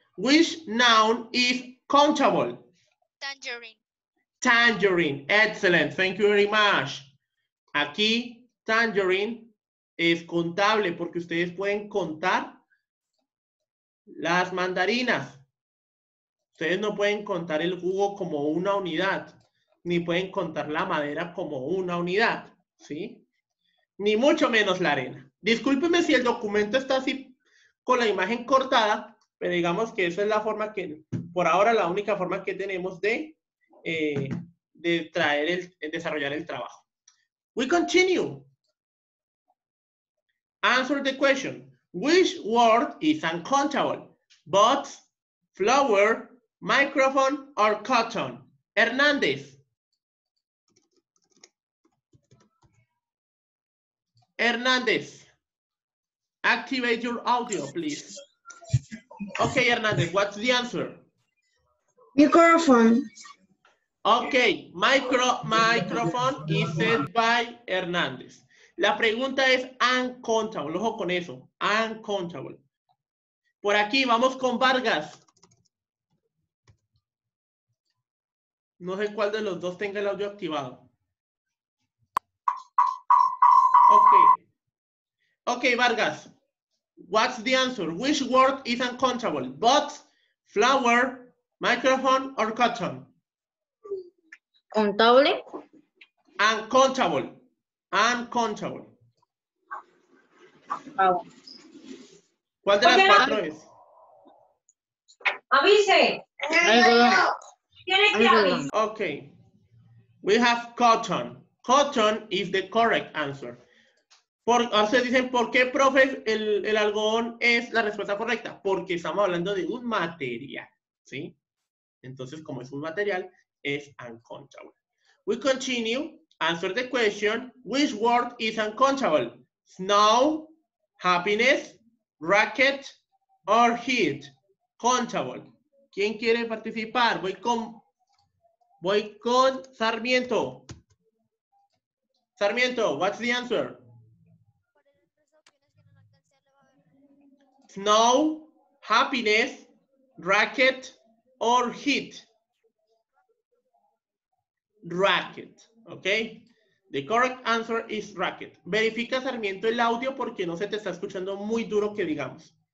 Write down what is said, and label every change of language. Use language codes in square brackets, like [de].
[en] Which noun is countable? Tangerine. Tangerine. Excellent. Thank you very much. [es] Aquí, tangerine es contable porque ustedes pueden contar las mandarinas. Ustedes no pueden contar el jugo como una unidad. Ni pueden contar la madera como una unidad, ¿sí? Ni mucho menos la arena. Discúlpeme si el documento está así con la imagen cortada, pero digamos que esa es la forma que, por ahora, la única forma que tenemos de desarrollar el trabajo. [en] We continue. Answer the question. Which word is uncountable? Box, flower, microphone, or cotton? Hernández. Hernández, activate your audio, please. Okay, Hernández, what's the answer? Microphone. Okay, microphone is said by Hernández. [es] La pregunta es uncountable, ojo con eso, uncountable. Por aquí, vamos con Vargas. No sé cuál de los dos tenga el audio activado. [en] Okay, Vargas, what's the answer? Which word is uncountable? Box, flower, microphone, or cotton? Countable. Uncountable. Uncountable. [es] ¿Cuál de las cuatro es? Avise. [en] Okay. We have cotton. Cotton is the correct answer. [es] Ustedes dicen, ¿por qué, profe, el algodón es la respuesta correcta? Porque estamos hablando de un material, ¿sí? Entonces, como es un material, es uncountable. [en] We continue. Answer the question. Which word is uncountable? Snow, happiness, racket, or heat? Countable. [es] ¿Quién quiere participar? Voy con Sarmiento. [en] Sarmiento, what's the answer? Snow, happiness, racket, or heat? Racket, ¿ok? The correct answer is racket. [es] Verifica, Sarmiento, el audio porque no se te está escuchando muy duro que digamos.